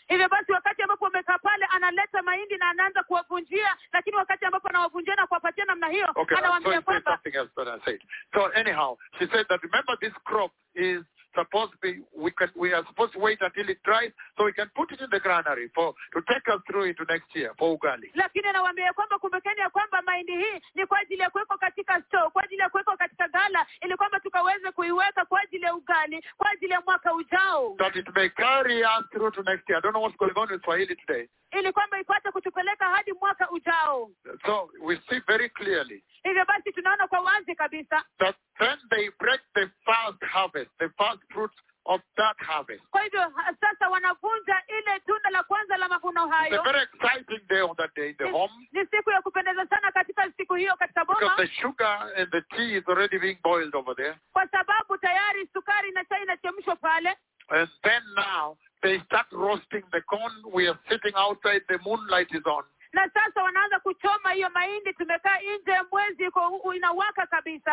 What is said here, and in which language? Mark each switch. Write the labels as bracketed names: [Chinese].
[Swahili] Hivyo basi wakati ambapo wamekaa pale, analeta mahindi na anaanza kuwavunjia, lakini wakati ambapo anawavunjia na kuwapatia namna hiyo, anawaambia kwamba. [English] Okay, something else that I said. So anyhow, she said that remember this crop is supposed to be, we are supposed to wait until it dries so we can put it in the granary for to take us through into next year for ugali. [Swahili] Lakini anawaambia kwamba kumbukeni ya kwamba mahindi hii ni kwa ajili ya kuwekwa katika store, kwa ajili ya kuwekwa katika ghala ili kwamba tukaweze kuiweka kwa ajili ya ugali kwa ajili ya mwaka ujao. [English] That it may carry us through to next year. I don't know what's going on with Swahili today. [Swahili] Ili kwamba ipate kutupeleka hadi mwaka ujao. [English] So we see very clearly. [Swahili] Hivyo basi tunaona kwa wazi kabisa. [English] That then they break the first harvest, the first fruit of that harvest. [Swahili] Kwa hivyo sasa wanavunja ile tunda la kwanza la mavuno hayo. [English] It's a very exciting day on that day in the home. [Swahili] Ni siku ya kupendeza sana katika siku hiyo katika boma. [English] Because the sugar and the tea is already being boiled over there. [Swahili] Kwa sababu tayari sukari na chai inachemshwa pale. [English] And then now they start roasting the corn. We are sitting outside, the moonlight is on. [Swahili] Na sasa wanaanza kuchoma hiyo mahindi, tumekaa nje mwezi iko inawaka kabisa.